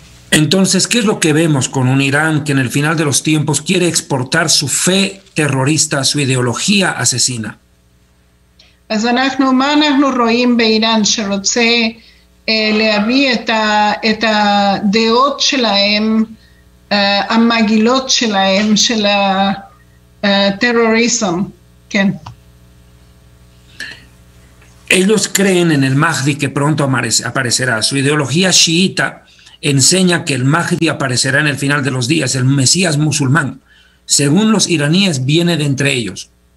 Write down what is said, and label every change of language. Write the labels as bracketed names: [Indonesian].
[Spanish] Entonces, ¿qué es lo que vemos con un Irán que en el final de los tiempos quiere exportar su fe terrorista, su ideología asesina? [Hebrew] אז אנחנו, מה אנחנו רואים באיראן שרוצה להביא את, את הדעות שלהם, המגילות שלהם, של הטרוריזם, כן. [Spanish] Ellos creen en el Mahdi que pronto aparecerá. Su ideología chiita enseña que el Mahdi aparecerá en el final de los días, el Mesías musulmán. Según los iraníes, viene de entre ellos.